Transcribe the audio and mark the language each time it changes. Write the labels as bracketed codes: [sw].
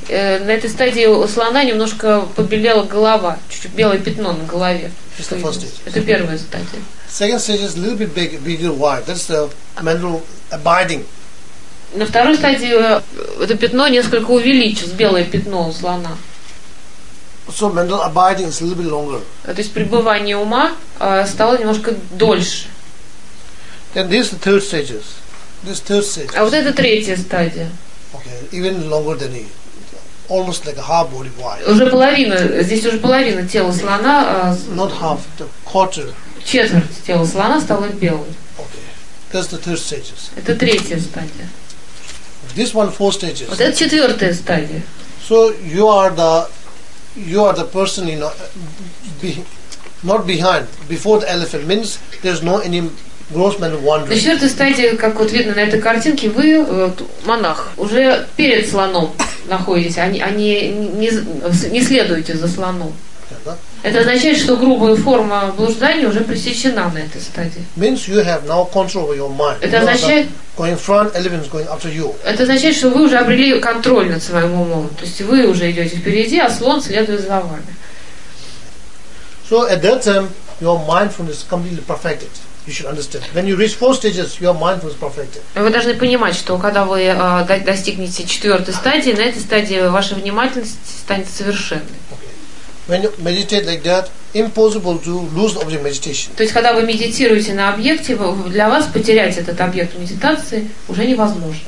[ru] На этой стадии у слона немножко побелела голова, чуть-чуть белое пятно на голове. [en] This is the first stage. [ru] Это первая стадия. [en] Second stage is a little bit bigger white. That's the mental abiding. [ru] На второй стадии это пятно несколько увеличилось, белое пятно у слона. [en] So mental abiding is a little bit longer. [ru] То есть пребывание ума стало немножко дольше. [en] Then this is the third stage. [ru] А вот это третья стадия. [en] Okay, even longer than it, almost like a half body wide. [ru] Уже половина, здесь уже половина тела слона. [en] Not half, the quarter. [ru] Четверть тела слона стала белой. [en] Okay, that's the third stages. [ru] Это третья стадия. [en] This one four stages. [ru] Вот это четвертая стадия. [en] So you are the person, you know, not behind, before the elephant means there's no any. [ru] На четвертой стадии, как вот видно на этой картинке, вы монах, уже перед слоном находитесь, а не следуете за слоном. Это означает, что грубая форма блуждания уже пресечена на этой стадии. [en] Means you have now control over your mind. [ru] Это означает, [en] going front, elephant's going after you. [ru] Это означает, что вы уже обрели контроль над своим умом. То есть вы уже идете впереди, а слон следует за вами. [en] So at that time your mindfulness completely perfected. you should understand. When you reach four stages, your mind was perfected. [ru] Вы должны понимать, что когда вы достигнете четвертой стадии, на этой стадии ваша внимательность станет совершенной. [en] When you meditate like that, impossible to lose object meditation. [ru] То есть когда вы медитируете на объекте, для вас потерять этот объект медитации уже невозможно.